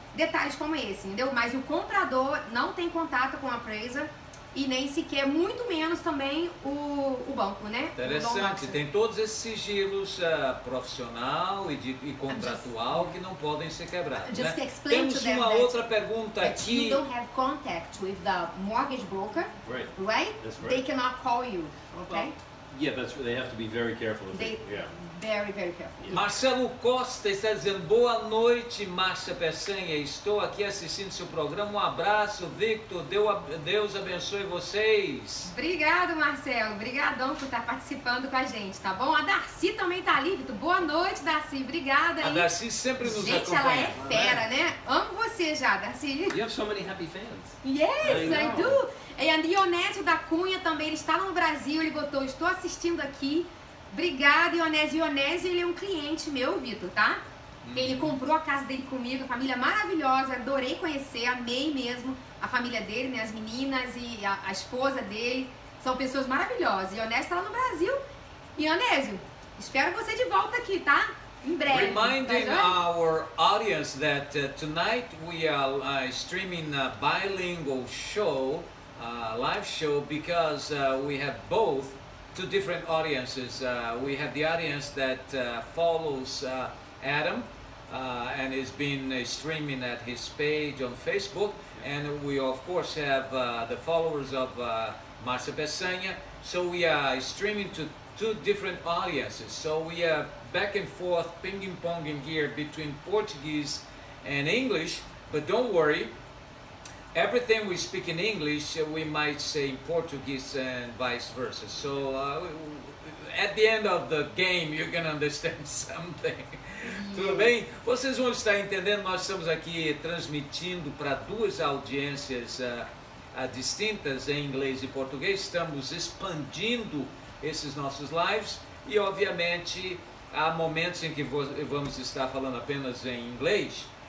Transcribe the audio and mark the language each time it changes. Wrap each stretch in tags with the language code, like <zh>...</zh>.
<pt>Detalhes como esse, entendeu? Mas o comprador não tem contato com a appraiser e nem sequer, muito menos também, o banco, né? Interessante. Tem todos esses sigilos profissional e contratual que não podem ser quebrados,</pt> <en>just To explain</en> <pt>temos</pt> <en>to them</en> <pt>uma outra pergunta aqui.</pt> <en>You don't have contact with the mortgage broker, right? Right? That's right. They cannot call you, okay? Well, yeah, that's, they have to be very careful. Very, very careful.</en> <pt>Marcelo Costa está dizendo, boa noite, Márcia Peçanha. Estou aqui assistindo seu programa. Um abraço, Victor. Deus abençoe vocês. Obrigado, Marcelo. Obrigadão por estar participando com a gente, tá bom? A Darcy também está ali, Victor. Boa noite, Darcy. Obrigada. A Darcy sempre nos acompanha. Gente, ela é fera, né? Amo você já, Darcy.</pt> <en>You have so many happy fans. Yes, I do.</en> <pt>E a Dionésio da Cunha também. Ele estava no Brasil. Ele botou, estou assistindo aqui. Obrigada, Ionésio. Ionésio, ele é um cliente meu, Vitor, tá? Ele comprou a casa dele comigo, a família maravilhosa, adorei conhecer, amei mesmo a família dele, né? As meninas e a esposa dele, são pessoas maravilhosas. Ionésio tá lá no Brasil. Ionésio, espero você de volta aqui, tá? Em breve.</pt> <en>Reminding our audience that tonight we are streaming a bilingual show, live show, because we have both two different audiences. We have the audience that follows Adam and is been streaming at his page on Facebook, and we of course have the followers of MarciaPessanha. So we are streaming to two different audiences. So we are back and forth ping-ponging here between Portuguese and English, but don't worry. Everything we speak in English, we might say in Portuguese and vice versa. So at the end of the game, you can understand something. Yes.</en> <pt>Tudo bem? Vocês vão estar entendendo, nós estamos aqui transmitindo para duas audiências distintas em inglês e português. Estamos expandindo esses nossos lives e, obviamente, há momentos em que vamos estar falando apenas em inglês.</pt>